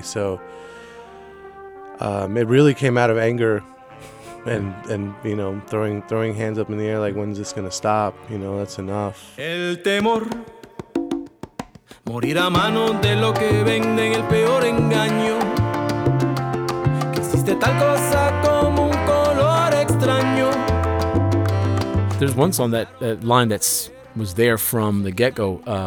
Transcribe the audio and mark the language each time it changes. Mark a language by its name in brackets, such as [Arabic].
[English] So it really came out of anger and throwing hands up in the air like, when's this gonna stop? That's enough. [Spanish] El temor morir a mano de lo que venden el peor engaño. Que existe tal cosa como un color extraño. [English] There's one song that line that's was there from the get-go,